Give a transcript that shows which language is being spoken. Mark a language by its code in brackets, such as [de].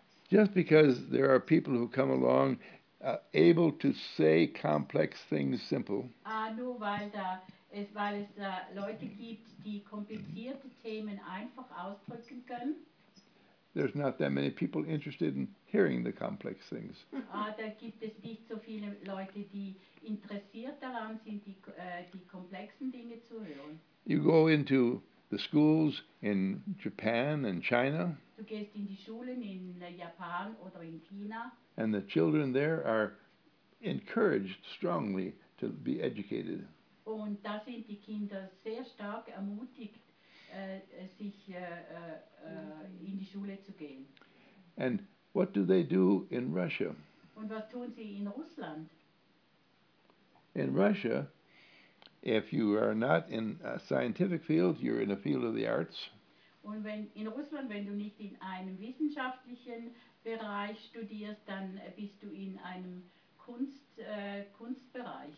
[en] Just because there are people who come along able to say complex things simple. [de] Nur weil es da Leute gibt, die komplizierte Themen einfach ausdrücken können. [en] There's not that many people interested in hearing the complex things. [de] Da gibt es nicht so viele Leute, die interessiert daran sind, die komplexen Dinge zu hören. [en] You go into the schools in Japan and China. [de] Du gehst in die Schulen in Japan oder in China. [en] And the children there are encouraged strongly to be educated. [de] Und da sind die Kinder sehr stark ermutigt, in die Schule zu gehen. [en] And what do they do in Russia? [de] Und was tun sie in Russland? [en] In Russia, if you are not in a scientific field, you're in a field of the arts. [de] Und wenn in Russland, wenn du nicht in einem wissenschaftlichen Bereich studierst, dann bist du in einem Kunstbereich.